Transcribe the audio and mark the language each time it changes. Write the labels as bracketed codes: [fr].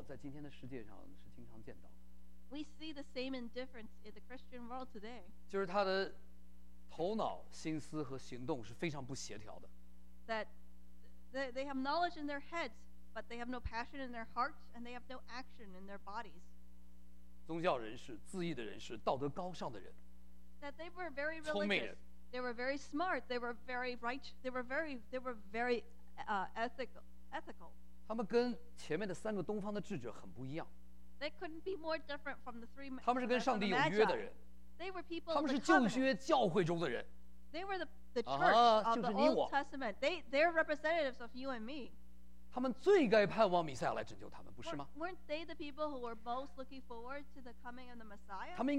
[zh] 因为他们这种反应冷漠，在今天的世界上是经常见到的。 [en] We see the same indifference in the Christian world today. [zh] 就是他的头脑、心思和行动是非常不协调的。 [en] That they have knowledge in their heads, but they have no passion in their hearts, and they have no action in their bodies. [zh] 宗教人士、自义的人士、道德高尚的人。 [en] That they were very religious. They were very smart. They were very right. They were very ethical. [zh] 他们跟前面的三个东方的智者很不一样。 [en] They couldn't be more different from the three magi. [zh] 他们是跟上帝有约的人。 [en] They were people. [zh] 他们是旧约教会中的人。 [en] They were the church of the Old Testament. They're representatives of you and me. [zh] 他们最该盼望弥赛亚来拯救他们，不是吗？ [en] Weren't they the people who were most looking forward to the coming of the Messiah?